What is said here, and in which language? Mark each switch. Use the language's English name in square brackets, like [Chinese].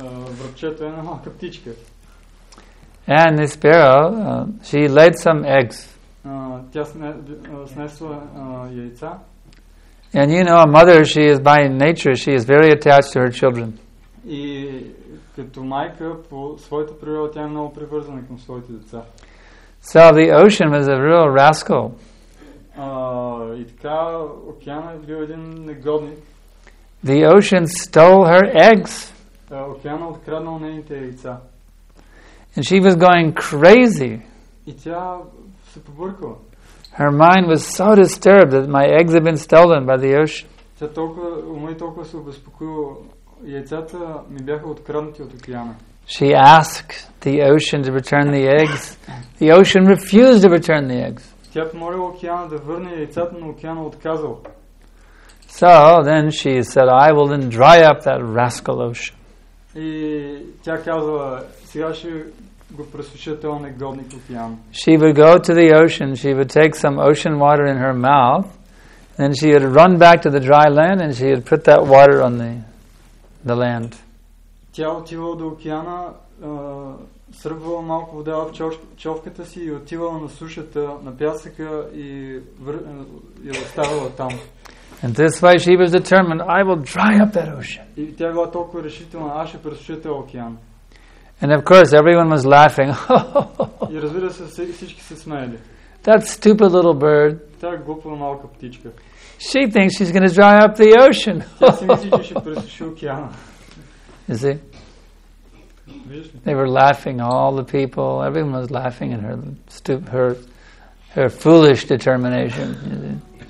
[Bulgarian] Връбчето е една малка птичка. [English] And this sparrow, she laid some eggs. [Bulgarian] Тя снесла яйца. [English] And you know, a mother, she is by nature, she is very attached to her children. [Bulgarian] И като майка по своята природа тя е много привързана към своите деца. [English] So the ocean was a real rascal. [Bulgarian] И така океанът бил един негодник. [English] The ocean stole her eggs. [Bulgarian] Океанът откраднал нейните яйца. [English] And she was going crazy. [Bulgarian] И тя се побъркала. [English] Her mind was so disturbed that my eggs have been stolen by the ocean. [Bulgarian] Тя толкова, ума и толкова се обезпокоила. Яйцата ми бяха откраднати от океана. [English] She asked the ocean to return the eggs. The ocean refused to return the eggs. [Bulgarian] Тя помолила океана да върне яйцата, но океана отказал. [English] So then she said, I will then dry up that rascal ocean. [Bulgarian] И тя казала, сега ще го пресуша този негодник океан. [English] She would go to the ocean, she would take some ocean water in her mouth, then she would run back to the dry land and she would put that water on the land. [Bulgarian] Тя отивала до океана, сръбвала малко вода в човката си и отивала на сушата, на пясъка и оставала там. [English] And this way she was determined, I will dry up that ocean. [Bulgarian] И тя била толкова решителна, аз ще пресуша този океан. [English] And of course everyone was laughing. [Bulgarian] И разбира се, всички се смеяли. [English] That stupid little bird. [Bulgarian] Тя е глупа малка птичка. [English] She thinks she's going to dry up the ocean. [Bulgarian] Тя си мисли, че ще пресуши океана. [English] You see? They were laughing, all the people, everyone was laughing at her her foolish determination.